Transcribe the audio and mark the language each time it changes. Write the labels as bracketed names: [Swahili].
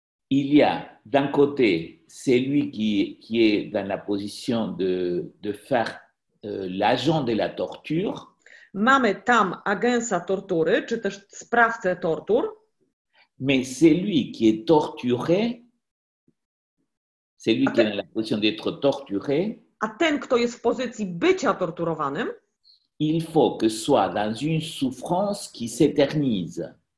[French] Il y a d'un côté celui qui est dans la position de faire l'agent de la torture. [Polish] Mamy tam agensa tortury, czy też sprawcę tortur. [French] Mais celui qui est torturé, celui qui est dans la position d'être torturé. [Polish] A ten, kto jest w pozycji bycia torturowanym. [French] Il faut que soit dans une souffrance qui s'éternise.